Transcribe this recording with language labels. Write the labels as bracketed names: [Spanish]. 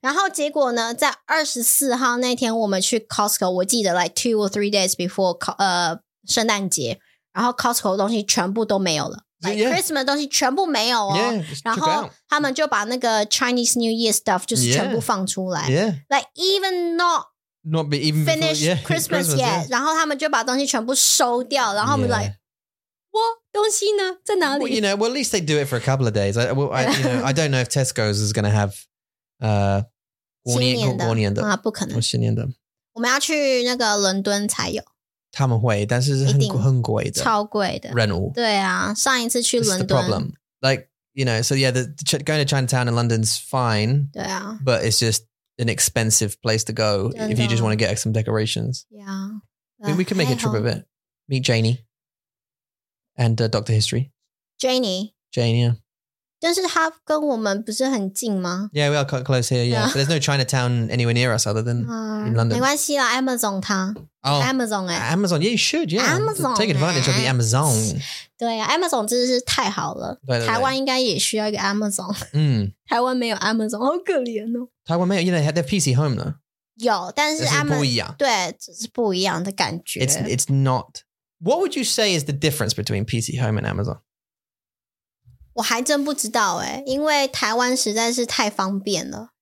[Chinese] 然后结果呢在24号那天我们去 Costco 我记得 [English] like 2 or 3 days before [Chinese] 圣诞节然后 Costco 的东西全部都没有了 [English] like yeah, [Chinese] Christmas 的东西全部没有哦 [English] yeah, [Chinese] 然后他们就把那个 [English] Chinese New Year stuff [Chinese] 就是全部放出来 [English] yeah, yeah. Like even not be even finished before, yeah, Christmas yet yeah. [Chinese] 然后他们就把东西全部收掉然后我们 like、 [English] yeah. [Chinese] 东西呢在哪里 [English] well, you know, well, at least they do it for a couple of days. I don't know if Tesco's is going to have [Chinese] 过年的。啊不可能。新年的。我们要去那个伦敦才有。他们会但是很贵的。超贵的。人物。对啊上一次去伦敦。 [English] This is the problem. Like, you know, so yeah, going to Chinatown in London's fine. [Chinese] 对啊。 [English] But it's just an expensive place to go if you just want to get some decorations. Yeah. We can make a trip of it. Meet Janie. And Dr. History. Janie, yeah. [Chinese] 但是他跟我们不是很近吗? [English] Yeah, we are quite close here, yeah. But there's no Chinatown anywhere near us other than in London. [Chinese] 没关系啦, Amazon 他。 [English] Oh, [Chinese] Amazon 欸。 [English] Amazon, yeah, you should, yeah. Amazon, take advantage of the Amazon. [Chinese] 对啊, Amazon 真的是太好了。对对对。台湾应该也需要一个 Amazon。嗯。台湾没有 Amazon, 好可怜哦。台湾没有, [English] you know, they have PC Home 呢。 [Chinese] 有,但是 Amazon, 不一样。对,这是不一样的感觉。 [English] It's not... What would you say is the difference between PC Home and Amazon? [Chinese] 我还真不知道耶，因为台湾实在是太方便了。